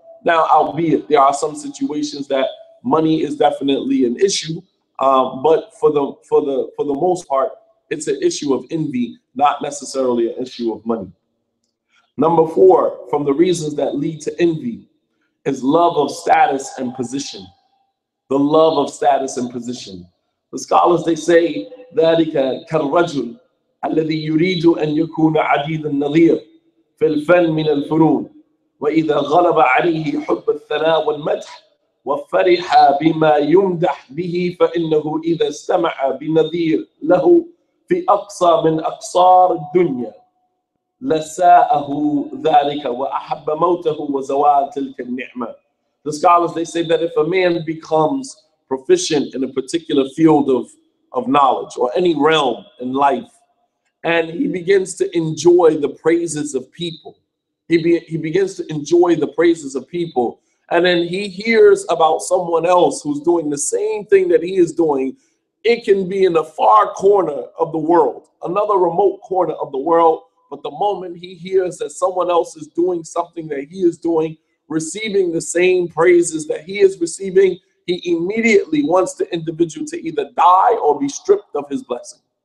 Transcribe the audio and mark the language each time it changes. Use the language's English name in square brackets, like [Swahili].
[English] Now, albeit there are some situations that money is definitely an issue, but for the most part, it's an issue of envy, not necessarily an issue of money. Number four, from the reasons that lead to envy, is love of status and position. The love of status and position. The scholars, they say, [Arabic] ذَلِكَ كَالرَّجُلْ أَلَّذِي يُرِيدُ أَنْ يَكُونَ عَدِيدًا نَظِيرٌ فِي الْفَنْ مِنَ الْفُنُونَ وَإِذَا غَلَبَ عَلِيهِ حُبَّ الثناء والمدح وفرح بما يمدح به فإنه إذا استمع بنذير له في أقصى من أقصار الدنيا لساءه ذلك وأحب موته وزوال تلك النعمة. [English] The scholars, they say that if a man becomes proficient in a particular field of knowledge or any realm in life, and he begins to enjoy the praises of people, he begins to enjoy the praises of people, and then he hears about someone else who's doing the same thing that he is doing, it can be in a far corner of the world, another remote corner of the world, but the moment he hears that someone else is doing something that he is doing, receiving the same praises that he is receiving, he immediately wants the individual to either die or be stripped of his blessing.